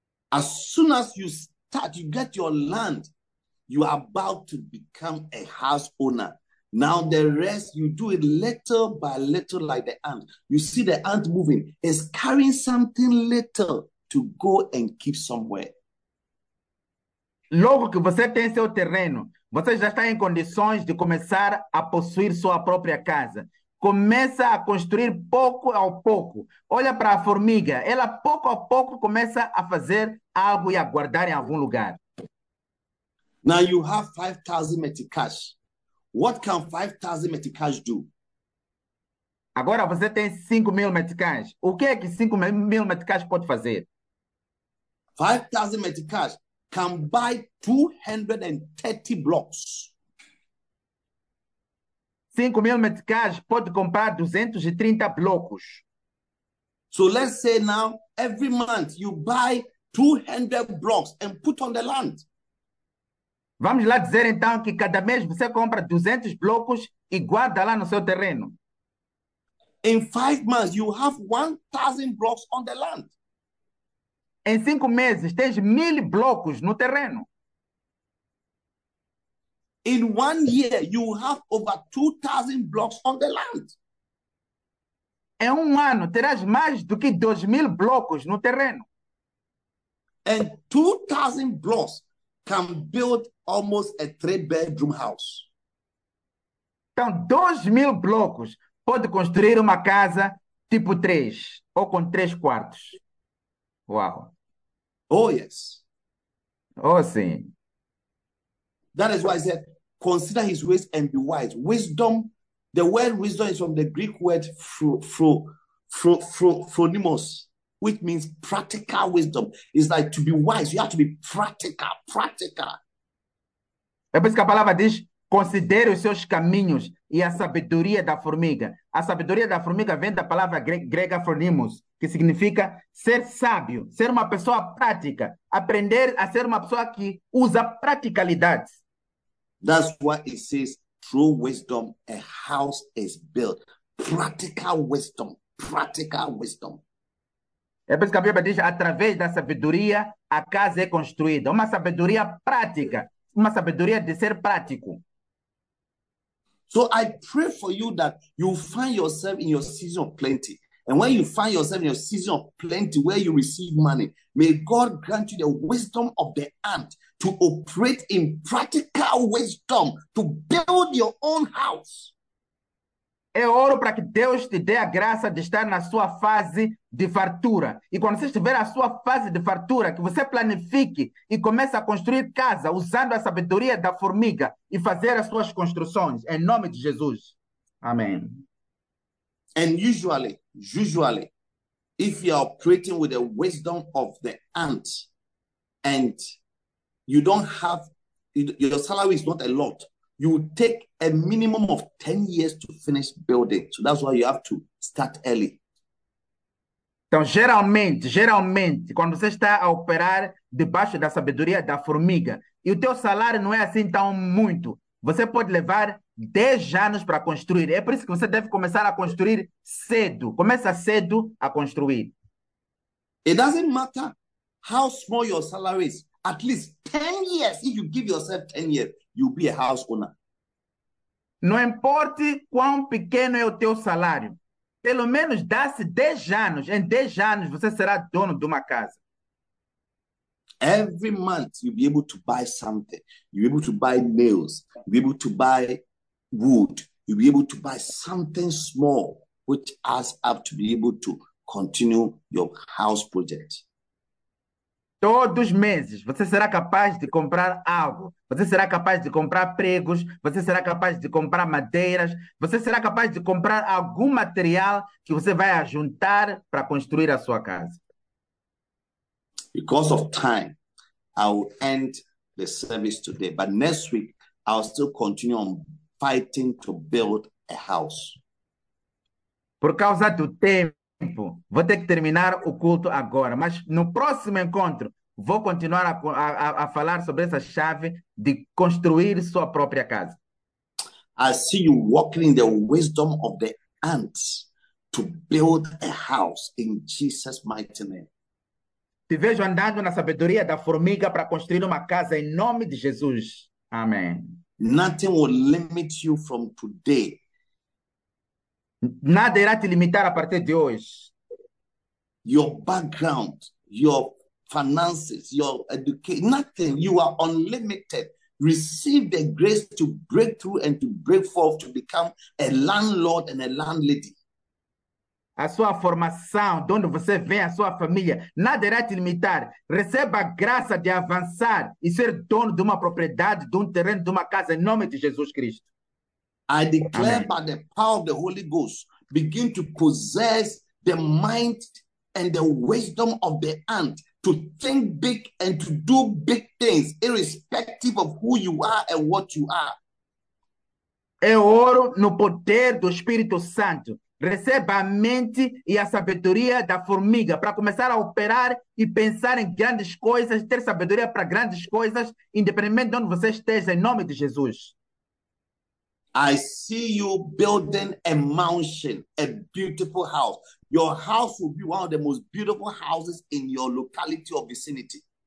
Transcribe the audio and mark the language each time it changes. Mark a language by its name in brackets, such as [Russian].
[English] As soon as you start, you get your land, you are about to become a house owner. Now the rest, you do it little by little like the ant. You see the ant moving. It's carrying something little to go and keep somewhere. [Portuguese] Logo que você tem seu terreno, você já está em condições de começar a possuir sua própria casa. Começa a construir pouco a pouco. Olha para a formiga. Ela, pouco a pouco, começa a fazer algo e a guardar em algum lugar. [English] Now you have 5,000 metric cash. What can 5,000 metric cash do? [Portuguese] Agora você tem 5,000 metric cash. O que é que 5,000 metric cash pode fazer? [English] 5,000 metric cash can buy 230 blocks. [Portuguese] 5,000 metric cash pode comprar 230 blocos. [English] So let's say now, every month you buy 200 blocks and put on the land. [Portuguese] Vamos lá dizer então que cada mês você compra 200 blocos e guarda lá no seu terreno. [English] In 5 months, you have 1,000 blocks on the land. [Portuguese] Em 5 meses, tens 1,000 blocos no terreno. [English] In 1 year, you have over 2,000 blocks on the land. [Portuguese] Em 1 ano, terás mais do que 2,000 blocos no terreno. [English] And 2,000 blocks can build almost a 3-bedroom house. [Portuguese] Então, 2,000 blocos pode construir uma casa tipo 3 ou com 3 quartos. Uau! [English] Oh, yes. [Portuguese] Oh, sim. [English] That is why I said, consider his ways and be wise. Wisdom, the word wisdom is from the Greek word phronimos, which means practical wisdom. It's like to be wise. You have to be practical, practical. [Portuguese] É por isso que a palavra diz, considere os seus caminhos e a sabedoria da formiga. A sabedoria da formiga vem da palavra grega phronimos, que significa ser sábio, ser uma pessoa prática, aprender a ser uma pessoa que usa praticalidade. [English] That's what it says, through wisdom, a house is built. Practical wisdom, practical wisdom. [Portuguese] É por isso que a Bíblia diz, através da sabedoria, a casa é construída. Uma sabedoria prática. Uma sabedoria de ser prático. [English] So I pray for you that you find yourself in your season of plenty. And when you find yourself in a season of plenty where you receive money, may God grant you the wisdom of the ant to operate in practical wisdom to build your own house. [Portuguese] Eu oro para que Deus te dê a graça de estar na sua fase de fartura. E quando você estiver na sua fase de fartura, que você planifique e comece a construir casa usando a sabedoria da formiga e fazer as suas construções. Em nome de Jesus. Amém. [English] And usually, if you are operating with the wisdom of the ant and you don't have, your salary is not a lot, you will take a minimum of 10 years to finish building. So that's why you have to start early. [Portuguese] Então, geralmente, quando você está a operar debaixo da sabedoria da formiga, e o teu salário não é assim tão muito, você pode levar 10 anos para construir. É por isso que você deve começar a construir cedo. Começa cedo a construir. [English] It doesn't matter how small your salary is. At least 10 years, if you give yourself 10 years, you'll be a house owner. [Portuguese] Não importa quão pequeno é o teu salário. Pelo menos dá-se 10 anos. Em 10 anos, você será dono de uma casa. [English] Every month, you'll be able to buy something. You'll be able to buy nails. You'll be able to buy wood. You'll be able to buy something small, which adds up to be able to continue your house project. [Portuguese] Todos os meses você será capaz de comprar algo. Você será capaz de comprar pregos. Você será capaz de comprar madeiras. Você será capaz de comprar algum material que você vai juntar para construir a sua casa. [English] Because of time, I will end the service today. But next week, I will still continue on fighting to build a house. [Portuguese] Por causa do tempo. Vou ter que terminar o culto agora, mas no próximo encontro vou continuar a falar sobre essa chave de construir sua própria casa. [English] I see you walking in the wisdom of the ants to build a house in Jesus' mighty name. [Portuguese] Te vejo andando na sabedoria da formiga para construir uma casa em nome de Jesus. Amém. [English] Nothing will limit you from today. [Portuguese] Nada irá te limitar a partir de hoje. [English] Your background, your finances, your education, nothing. You are unlimited. Receive the grace to break through and to break forth to become a landlord and a landlady. [Portuguese] A sua formação, de onde você vem, a sua família, nada irá te limitar. Receba a graça de avançar e ser dono de uma propriedade, de um terreno, de uma casa, em nome de Jesus Cristo. [English] I declare Amen. By the power of the Holy Ghost, begin to possess the mind and the wisdom of the ant to think big and to do big things, irrespective of who you are and what you are. [Portuguese] Eu oro no poder do Espírito Santo. Receba a mente e a sabedoria da formiga para começar a operar e pensar em grandes coisas, ter sabedoria para grandes coisas, independentemente de onde você esteja, em nome de Jesus. [English] I see you building a mansion, a beautiful house. Your house will be one of the most beautiful houses in your locality or vicinity.